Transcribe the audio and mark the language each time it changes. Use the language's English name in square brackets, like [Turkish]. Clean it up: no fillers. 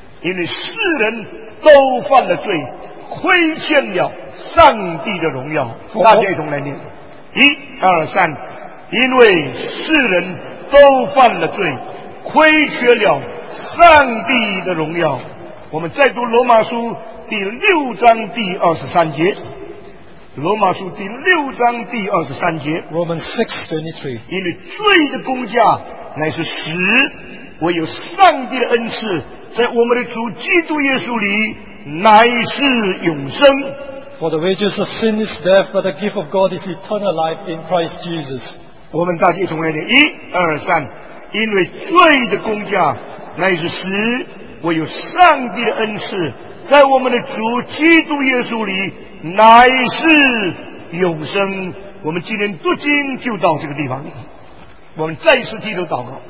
[Chinese] 因为世人都犯了罪亏欠了上帝的荣耀大家一同来念一二三因为世人都犯了罪亏缺了上帝的荣耀我们再读罗马书第六章第二十三节罗马书第六章第二十三节 [English] Romans 6:23 [Chinese] 因为罪的工价乃是死唯有上帝的恩赐在我们的主基督耶稣里乃是永生 [English] For the wages of sin is death but the gift of God is eternal life in Christ Jesus [Chinese] 我们大家一同来念一二三因为罪的工价乃是死唯有上帝的恩赐在我们的主基督耶稣里乃是永生我们今天读经就到这个地方我们再次低头祷告